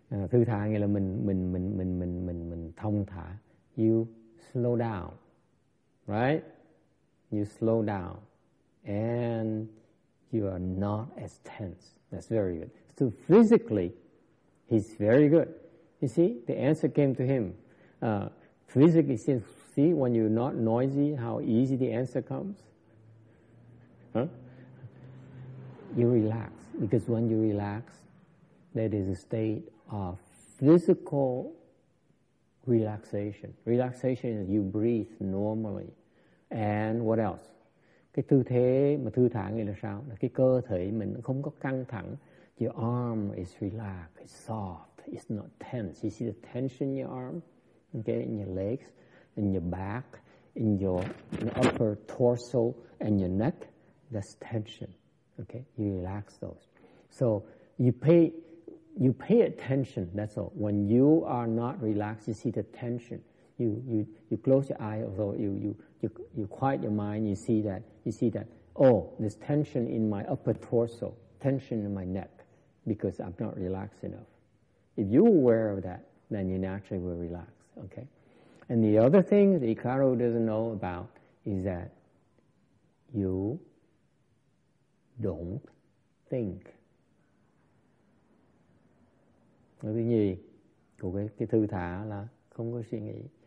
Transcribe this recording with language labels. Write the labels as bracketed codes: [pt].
[vi] Thư thả nghĩa là mình thông thả. [en] You slow down, right? You slow down, and you are not as tense. That's very good. So physically, he's very good. You see, the answer came to him. Physically, see when you're not noisy, how easy the answer comes. You relax, because when you relax, that is a state of physical relaxation. Relaxation is you breathe normally. And what else? [vi] Cái tư thế mà thư thả nghĩa là sao? Là cái cơ thể mình không có căng thẳng. [en] Your arm is relaxed, it's soft, it's not tense. You see the tension in your arm? Okay, in your legs, in your back, in your upper torso, and your neck. That's tension. Okay, you relax those. So you pay attention, that's all. When you are not relaxed, you see the tension. You close your eye, although you quiet your mind, you see that, oh, there's tension in my upper torso, tension in my neck, because I'm not relaxed enough. If you're aware of that, then you naturally will relax, okay? And the other thing that Ikaru doesn't know about is that you don't think. [vi] Nói thứ nhì của cái thư thả là không có suy nghĩ.